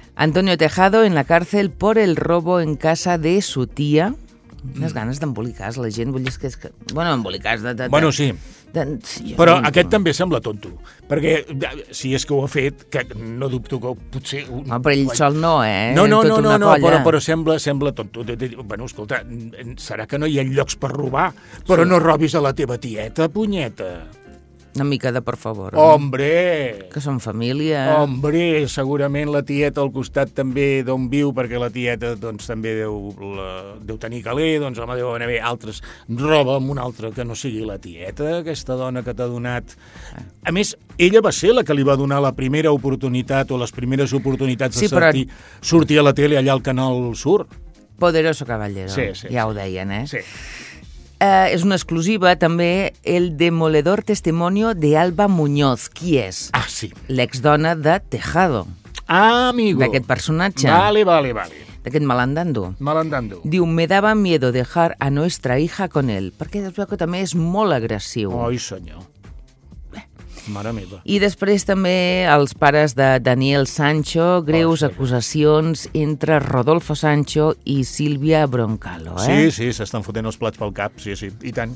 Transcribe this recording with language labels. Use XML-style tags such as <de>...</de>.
<es>Antonio Tejado en la cárcel por el robo en casa de su tía.</es> <ca>Quines ganes d'embolicar-se, la gent. Vull dir que és que... Bueno, embolicar-se... Bueno, sí. Però aquest també sembla tonto. Perquè, si és que ho ha fet, que no dubto que potser... No, però ell sol no, eh? No, però sembla tonto. Bueno, escolta, serà que no hi ha llocs per robar, però no robis a la teva tieta, punyeta. Una mica de per favor. Hombre! Que som família. Hombre, segurament la tieta al costat també d'on viu, perquè la tieta doncs, també deu tenir caler, doncs home, deu anar bé. Altres, roba amb una altra que no sigui la tieta, aquesta dona que t'ha donat. A més, ella va ser la que li va donar la primera oportunitat o les primeres oportunitats sí, de sortir a la tele allà al Canal Sur. Poderoso Caballero, sí, ja sí. Ho deien, eh? Sí. És una exclusiva, també,</ca> <es>el demoledor testimonio de Alba Muñoz.</es> <ca>Qui és? Ah, sí. L'exdona de Tejado. Ah, amigo. D'aquest personatge. Vale. D'aquest malandando. Malandando. Diu,</ca> <es>me daba miedo dejar a nuestra hija con él.</es> <ca>Perquè el Flaco també és molt agressiu. Ai, senyor. Mare meva. I després també els pares de Daniel Sancho, greus acusacions entre Rodolfo Sancho i Sílvia Broncalo, eh? Sí, s'estan fotent els plats pel cap, sí, i tant.</ca>